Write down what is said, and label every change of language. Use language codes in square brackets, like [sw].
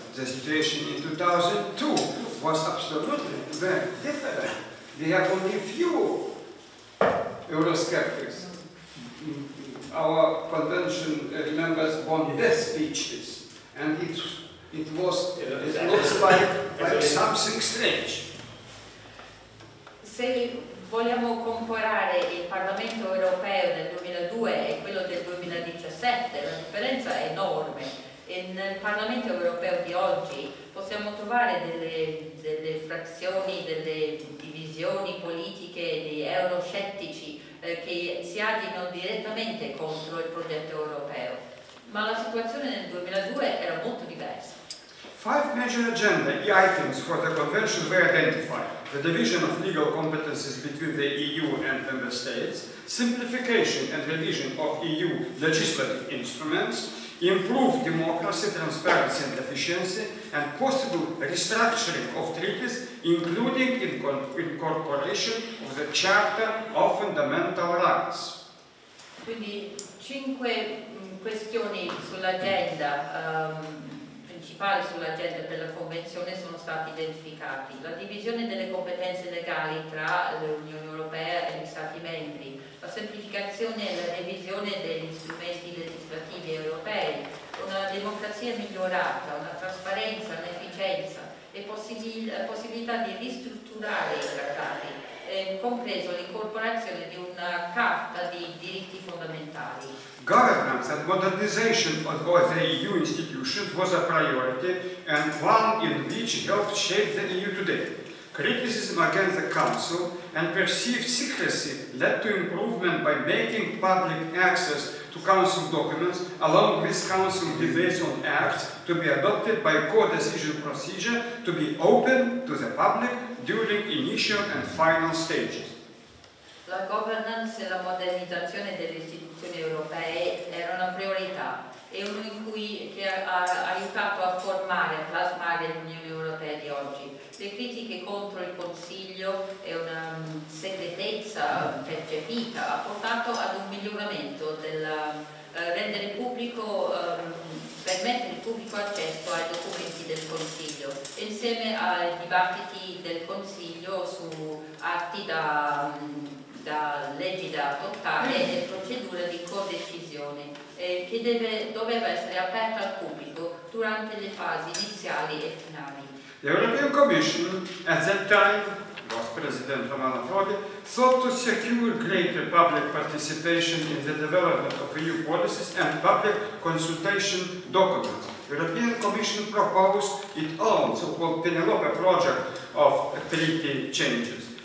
[en] The situation in 2002 was absolutely very different. We have only few Eurosceptics. Our convention members won their speeches, and it looks like something strange. [it] Vogliamo comparare il Parlamento europeo del 2002 e quello del 2017, la differenza è enorme. Nel Parlamento europeo di oggi possiamo trovare delle frazioni, delle divisioni politiche, dei euroscettici che si agitano direttamente contro il progetto europeo. Ma la situazione nel 2002 era molto diversa. [en] Five major agenda items for the convention were identified: the division of legal competences between the EU and member states, simplification and revision of EU legislative instruments, improved democracy, transparency and efficiency, and possible restructuring of treaties, including incorporation of the Charter of Fundamental Rights. [it] Quindi cinque questioni sull'agenda sull'agenda per la convenzione sono stati identificati: la divisione delle competenze legali tra l'Unione Europea e gli Stati membri, la semplificazione e la revisione degli strumenti legislativi europei, una democrazia migliorata, una trasparenza, un'efficienza efficienza e possibilità di ristrutturare i trattati, compreso l'incorporazione di una carta di diritti fondamentali. [en] Governance and modernization of both the EU institutions was a priority and one in which helped shape the EU today. Criticism against the Council and perceived secrecy led to improvement by making public access to Council documents, along with Council debates on acts to be adopted by co-decision procedure to be open to the public during initial and final stages. [it] La governance e la modernizzazione delle istituzioni europee era una priorità e uno in cui che ha aiutato a formare, a plasmare l'Unione Europea di oggi. Le critiche contro il Consiglio e una segretezza percepita ha portato ad un miglioramento del rendere pubblico, permettere il pubblico accesso ai documenti del Consiglio, insieme ai dibattiti del Consiglio su atti da leggi da adottare e procedure di codecisione che doveva essere aperta al pubblico durante le fasi iniziali e finali. [en] The European Commission, at that time, was President Romano Prodi, sought to secure greater public participation in the development of EU policies and public consultation documents. The European Commission proposed its own so-called Penelope project of treaty changes.